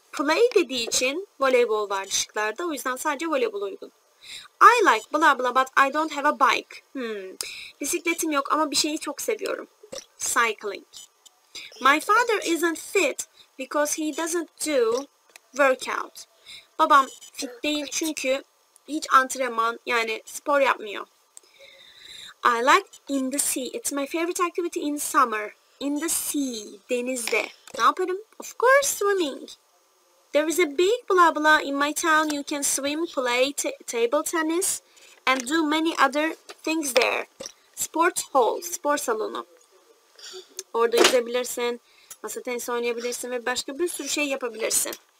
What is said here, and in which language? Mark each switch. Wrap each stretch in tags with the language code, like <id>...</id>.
<tr>Play dediği için voleybol var şıklarda. O yüzden sadece voleybol uygun.</tr> <en>I like blah blah but I don't have a bike.</en> <tr>Bisikletim yok ama bir şeyi çok seviyorum.</tr> <en>Cycling. My father isn't fit because he doesn't do workout.</en> <tr>Babam fit değil çünkü hiç antrenman yani spor yapmıyor.</tr> <en>I like in the sea. It's my favorite activity in summer. In the sea.</en> <tr>Denizde. Ne yaparım?</tr> <en>Of course swimming. There is a big blah blah in my town. You can swim, play table tennis and do many other things there. Sports hall.</en> <tr>Spor salonu. Orada yüzebilirsin. Masa tenisi oynayabilirsin ve başka bir sürü şey yapabilirsin.</tr>